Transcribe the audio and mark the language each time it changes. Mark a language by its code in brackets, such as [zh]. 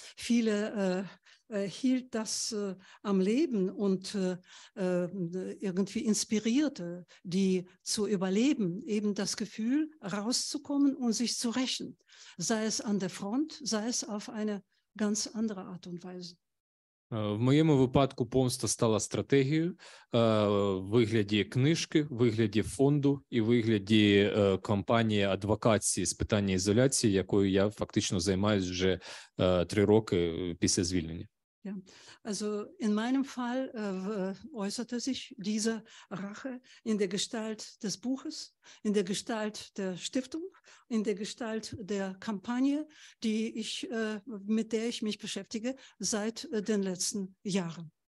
[de] Viele hielt das am Leben und irgendwie inspirierte die zu überleben, eben das Gefühl rauszukommen und sich zu rächen, sei es an der Front, sei es auf eine ganz andere Art und Weise. [uk] В моєму випадку помста стала стратегією в вигляді книжки, в вигляді фонду і в вигляді компанії адвокації з питання ізоляції, якою я фактично займаюся вже 3 роки після звільнення. [de] Ja. Also in meinem Fall äußerte sich diese Rache in der Gestalt des Buches, in der Gestalt der Stiftung, in der Gestalt der Kampagne, die ich, mit der ich mich beschäftige seit den letzten Jahren.